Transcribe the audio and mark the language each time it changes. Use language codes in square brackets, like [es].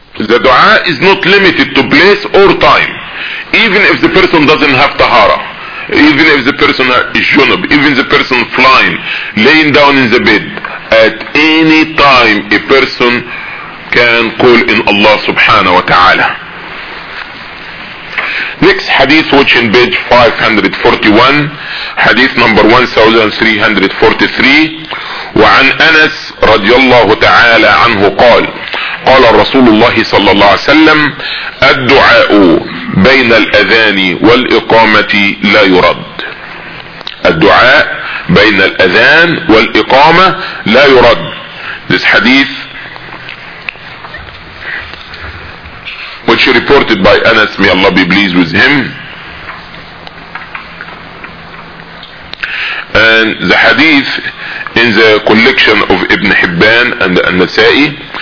[en] the dua is not limited to place or time. Even if the person doesn't have tahara, even if the person is junub, even the person flying, laying down in the bed, at any time a person can call in Allah subhanahu wa ta'ala. Next hadith, which in page 541, hadith number 1343, [ar] وعن أنس رضي الله تعالى عنه قال قال رسول الله صلى الله عليه وسلم الدعاء بين الأذان والإقامة لا يرد. الدعاء بين الأذان والإقامة لا يرد. [en] This hadith which reported by Anas, may Allah be pleased with him, and the hadith in the collection of Ibn Hibban and An-Nasa'i.